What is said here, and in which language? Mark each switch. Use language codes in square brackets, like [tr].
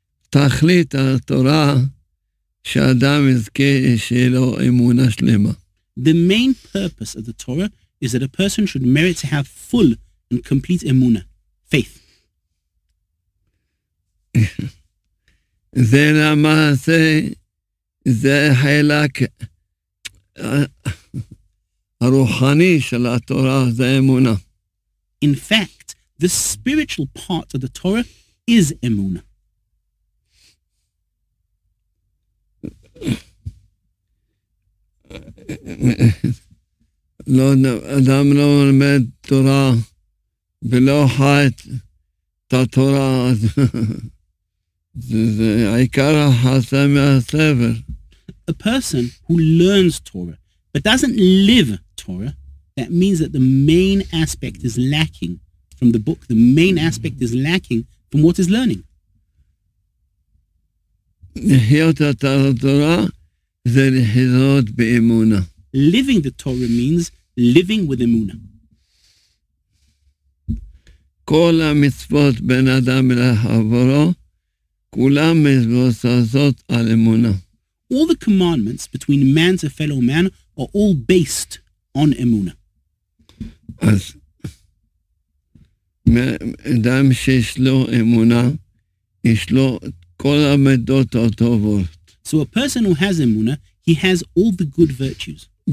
[he] תכלית התורה שאדם יזכה שיהיה לו אמונה שלמה. [en] The main purpose of the Torah is that a person should merit to have full and complete emuna, faith. [he] זה למעשה, זה חלק הרוחני של התורה, זה אמונה. [en] In fact, the spiritual part of the Torah is emuna. [he] לא אדם לא לומד תורה ולא חי את התורה זה עיקר החסם מהסבל. [en] A person who learns Torah but doesn't live Torah, that means that the main aspect is lacking from the book, the main aspect is lacking from what is learning. [he] לחיות את התורה זה לחיות באמונה. [en] Living the Torah means living with emuna. [he] כל המצוות בין אדם לחברו, כולם מבוססות על אמונה. [en] All the commandments between man to fellow man are all based on emuna. [he] אז אדם שיש לו אמונה, יש לו כל המידות הטובות. [en] So a person who has emuna, he has all the good virtues.